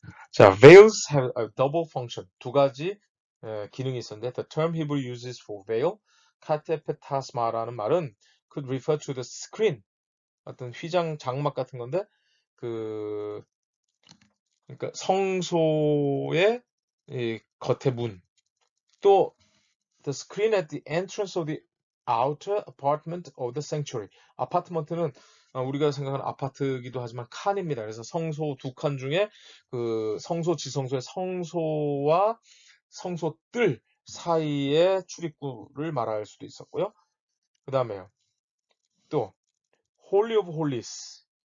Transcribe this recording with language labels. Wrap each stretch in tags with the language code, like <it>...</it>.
<en>자, veils have a double function.</en> <ko>두 가지 기능이 있었는데,</ko> <en>The term Hebrew uses for veil,</en> <ko>카테페타스마라는 말은</ko> <en>could refer to the screen.</en> <ko>어떤 휘장 장막 같은 건데, 그러니까 성소의 이 겉에 문. 또,</ko> <en>The screen at the entrance of the outer apartment of the sanctuary.</en> <ko>아파트먼트는 우리가 생각하는 아파트이기도 하지만 칸입니다. 그래서 성소 두칸 중에 그 성소 지성소의 성소와 성소뜰 사이의 출입구를 말할 수도 있었고요. 그 다음에요. 또 Holy of Holies.</ko>